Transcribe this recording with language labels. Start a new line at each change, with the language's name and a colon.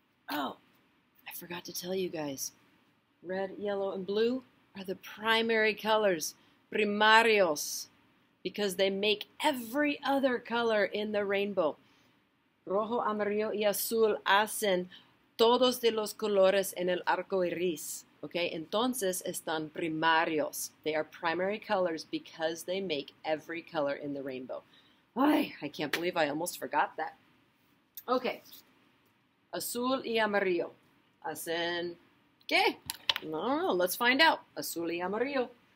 English: Oh, I forgot to tell you guys. Red, yellow, and blue are the primary colors. Primarios, because they make every other color in the rainbow.
Spanish: Rojo, amarillo y azul hacen todos de los colores en el arco iris. Okay, entonces están primarios.
English: They are primary colors because they make every color in the rainbow. Ay, I can't believe I almost forgot that. Okay,
Spanish: azul y amarillo hacen ¿qué?
English: I don't know, let's find out.
Spanish: Azul y amarillo.